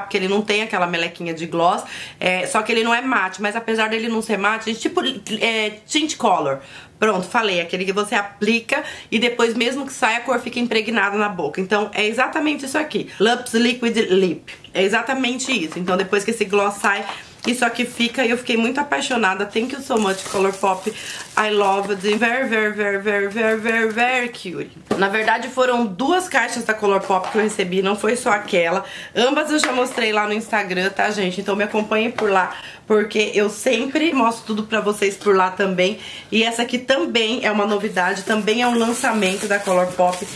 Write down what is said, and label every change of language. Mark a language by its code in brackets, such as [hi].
[pt] Porque ele não tem aquela melequinha de gloss, só que ele não é mate, mas apesar dele não ser mate, é tipo tint color. Pronto, falei, aquele que você aplica e depois mesmo que sai a cor fica impregnada na boca. Então é exatamente isso aqui, Lips Liquid Lip, é exatamente isso. Então depois que esse gloss sai, isso aqui fica e eu fiquei muito apaixonada. [en] Thank you so much, Colourpop, I love it, very, very, very, very, very, very, very cute. [pt] Na verdade foram duas caixas da Colourpop que eu recebi, não foi só aquela. Ambas eu já mostrei lá no Instagram, tá gente? Então me acompanhem por lá, porque eu sempre mostro tudo pra vocês por lá também. E essa aqui também é uma novidade, também é um lançamento da Colourpop.